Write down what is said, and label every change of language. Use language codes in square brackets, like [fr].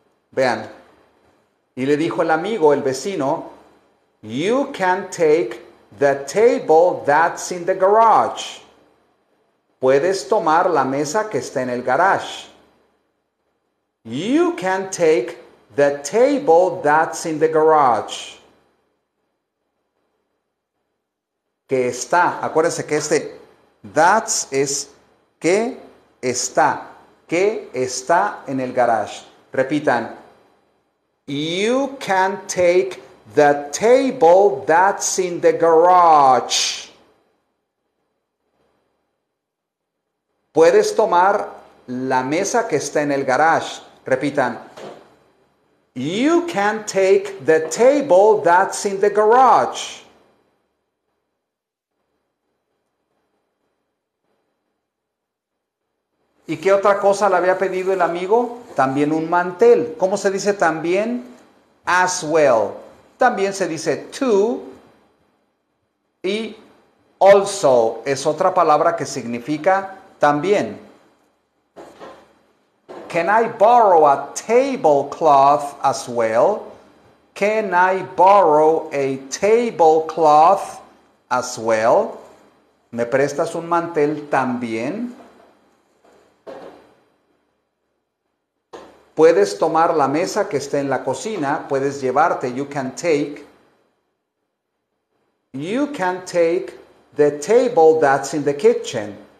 [es] Vean, y le dijo el amigo, el vecino, [en] you can take the table that's in the garage. [es] Puedes tomar la mesa que está en el garage. [en] You can take the table that's in the garage. [es] Que está, acuérdense que este that's es que está en el garage. Repitan. [en] You can take the table that's in the garage. [es] Puedes tomar la mesa que está en el garage. Repitan. [en] You can take the table that's in the garage. [es] ¿Y qué otra cosa le había pedido el amigo? También un mantel. ¿Cómo se dice también? As well. También se dice too. Y also es otra palabra que significa también. [en] Can I borrow a tablecloth as well? Can I borrow a tablecloth as well? [es] ¿Me prestas un mantel también? Puedes tomar la mesa que esté en la cocina. Puedes llevarte. [en] You can take the table that's in the kitchen.